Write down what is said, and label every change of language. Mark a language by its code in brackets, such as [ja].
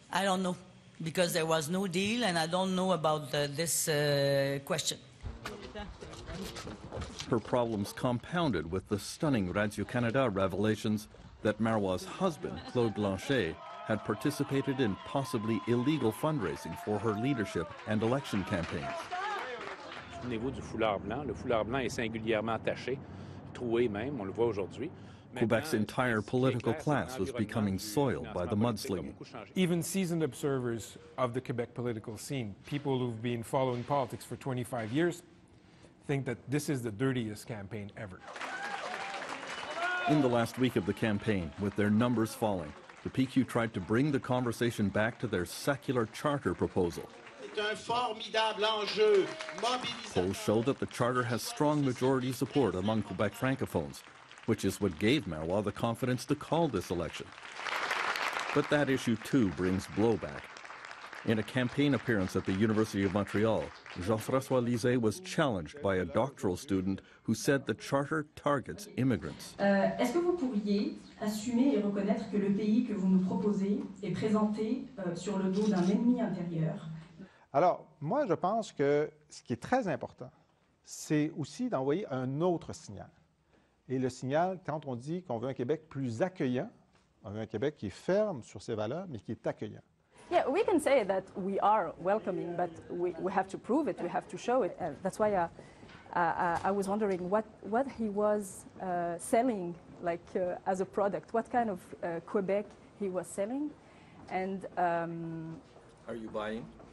[en] I don't know, because there was no deal, and I don't know about this question. Her problems compounded with the stunning Radio-Canada revelations that Marois' husband, Claude Blanchet, had participated in possibly illegal fundraising for her leadership and election campaigns. [fr] Souvenez-vous du foulard blanc. Le foulard blanc est singulièrement attaché, troué même, on le voit aujourd'hui. [en] Quebec's entire political class was becoming soiled by the mudslinging. Even seasoned observers of the Quebec political scene, people who've been following politics for 25 years, think that this is the dirtiest campaign ever. In the last week of the campaign, with their numbers falling, the PQ tried to bring the conversation back to their secular charter proposal. Polls show that the charter has strong majority support among Quebec francophones, which is what gave Marois the confidence to call this election. But that issue, too, brings blowback. In a campaign appearance at the University of Montreal, Jean-François Lisée was challenged by a doctoral student who said the charter targets immigrants. [fr] Est-ce que vous pourriez assumer et reconnaître que le pays que vous nous proposez est présenté sur le dos d'un ennemi intérieur? Alors, moi, je pense que ce qui est très important, c'est aussi d'envoyer un autre signal. Et le signal, quand on dit qu'on veut un Québec plus accueillant, on veut un Québec qui est ferme sur ses valeurs, mais qui est accueillant. [en] Yeah, we can say that we are welcoming, but we have to prove it, we have to show it. That's why I was wondering what he was selling, like, as a product, what kind of Quebec he was selling. And are you buying?